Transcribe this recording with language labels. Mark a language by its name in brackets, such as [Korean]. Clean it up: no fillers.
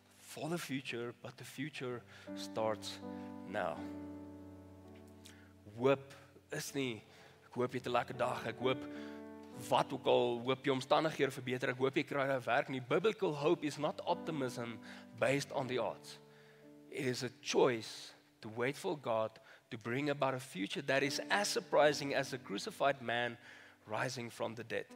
[English] For the future, but the future starts now. [Afrikaans] Hoop is nie, ek hoop jy het 'n lekker dag, ek hoop wat ook al, hoop jy omstandighede verbeter, ek hoop jy kry 'n werk nie. [English] Biblical hope is not optimism based on the odds. It is a choice to wait for God to bring about a future that is as surprising as a crucified man rising from the dead.